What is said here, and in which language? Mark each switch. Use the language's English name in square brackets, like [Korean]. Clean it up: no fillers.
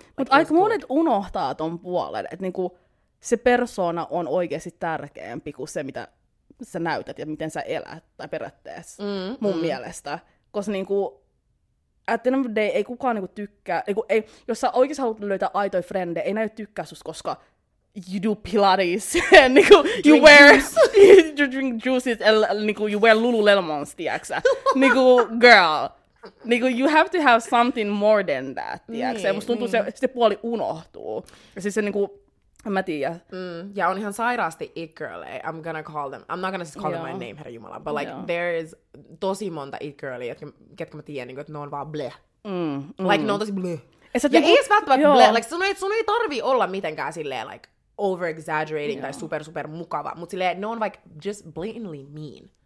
[Finnish] Mutta aika monet unohtaa ton puolen, että niin kuin, se persona on oikeasti tärkeämpi kuin se, mitä sä näytät ja miten sä elät, tai periaatteessa, mun mielestä. Koska niin kuin, [English] at the end of the day, [Finnish] ei kukaan niinku tykkää, niinku, ei, jos sä oikeasti haluat löytää aitoja frendejä, ei näy tykkää susta, koska [English] you do pilates, [Finnish] and niinku, [English] you wear, you drink juices, [Finnish] and niinku, [English] you wear lululemons, [Finnish] tiiäksä. [English] Niinku, girl, niinku, you have to have something more than that, [Finnish] tiiäksä. Niin, musta tuntuu, se puoli unohtuu. Ja siis se niinku, mä tiiä. Ja on ihan sairaasti [English] it girl, eh? I'm gonna call them, I'm not gonna just call them my name, [Finnish] herrajumala, [English] but like, there is [Finnish] tosi monta it girlia, ketkä mä tiedän, että ne on vaan bleh. [English] Like, [Finnish] ne on tosi bleh. Ja niinku, ei välttämättä bleh, like, sun ei tarvi olla mitenkään silleen, like, [English] over-exaggerating [Finnish] tai super mukava, mut silleen, ne on like, [English] just blatantly mean.